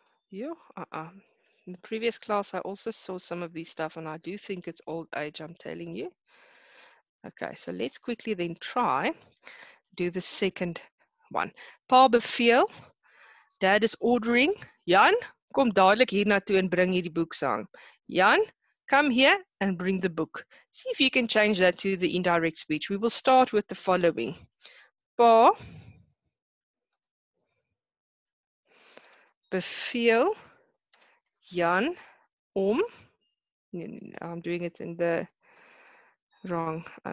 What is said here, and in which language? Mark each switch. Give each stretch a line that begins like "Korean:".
English: In the previous class, I also saw some of these stuff, and I do think it's old age, I'm telling you. Okay, so let's quickly then try do the second one.
Afrikaans: Pa beveel,
English: dad is ordering.
Afrikaans: Jan, kom dadelijk hier naartoe en bring hier die boek saam.
English: Jan, come here and bring the book. See if you can change that to the indirect speech. We will start with the following.
Afrikaans: Pa beveel Jan om.
English: I'm doing it in the wrong.